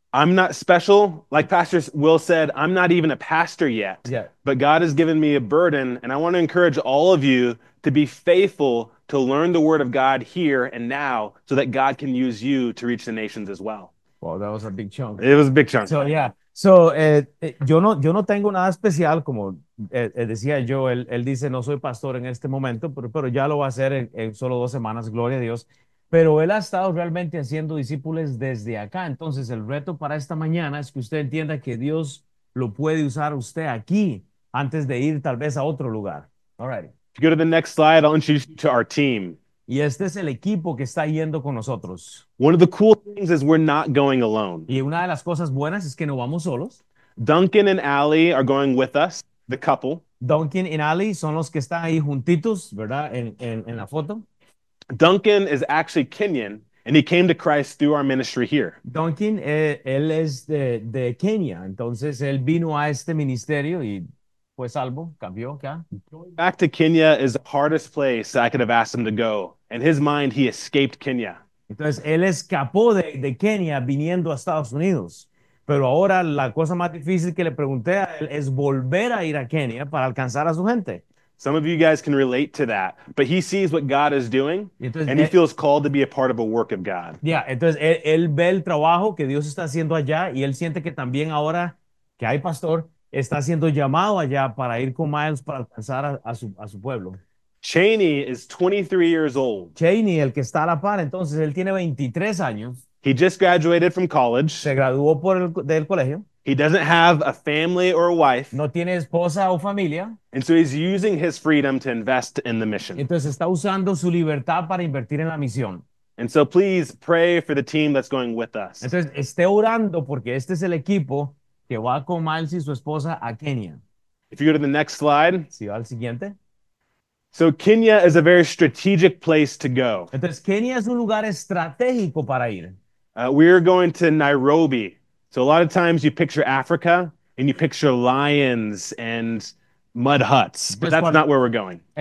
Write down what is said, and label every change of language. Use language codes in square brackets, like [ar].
[en] I'm not special. Like Pastor Will said, I'm not even a pastor yet. But God has given me a burden, and I want to encourage all of you to be faithful to learn the word of God here and now so that God can use you to reach the nations as well. Well, that was a big chunk. It was a big chunk. So, yeah. [es] So, yo no tengo nada especial, como decía yo. Él dice, no soy pastor en este momento, pero ya lo va a hacer en solo 2 semanas, gloria a Dios. Pero él ha estado realmente haciendo discípulos desde acá. Entonces, el reto para esta mañana es que usted entienda que Dios lo puede usar usted aquí antes de ir tal vez a otro lugar. [en] All right. If you go to the next slide, I'll introduce you to our team. [es] Y este es el equipo que está yendo con nosotros. [en] One of the cool things is we're not going alone. [es] Y una de las cosas buenas es que no vamos solos. [en] Duncan and Allie are going with us, the couple. [es] Duncan y Ali son los que están ahí juntitos, ¿verdad? En la foto. [en] Duncan is actually Kenyan, and he came to Christ through our ministry here. [es] Duncan, él es de Kenia, entonces él vino a este ministerio y fue salvo, cambió acá. [en] Back to Kenya is the hardest place I could have asked him to go. In his mind, he escaped Kenya. [es] Entonces, él escapó de Kenia viniendo a Estados Unidos. Pero ahora la cosa más difícil que le pregunté a él es volver a ir a Kenia para alcanzar a su gente. [en] Some of you guys can relate to that, but he sees what God is doing [es] Y entonces, [en] and he feels called to be a part of a work of God. [es] entonces él ve el trabajo que Dios está haciendo allá y él siente que también ahora que hay pastor, está siendo llamado allá para ir con Miles para alcanzar a su pueblo. [en] Cheney is 23 years old. [es] Cheney, el que está a la par, entonces él tiene 23 años. [en] He just graduated from [es] Se [en] college. [es] graduó del colegio. [en] He doesn't have a family or a wife. [es] No tiene esposa o familia. [en] And so he's using his freedom to invest in the mission. [es] Entonces está usando su libertad para invertir en la misión. [en] And so please pray for the team that's going with us. [es] Entonces esté orando porque este es el equipo que va con Miles y su esposa a Kenia. [en] If you go to the next slide. [es] Si va al siguiente. [en] So Kenya is a very strategic place to go. [es] Entonces, Kenia es un lugar estratégico para ir. [en] We are going to Nairobi. So a lot of times you picture Africa and you picture lions and mud huts, but [es] Entonces, [en] that's not where we're going.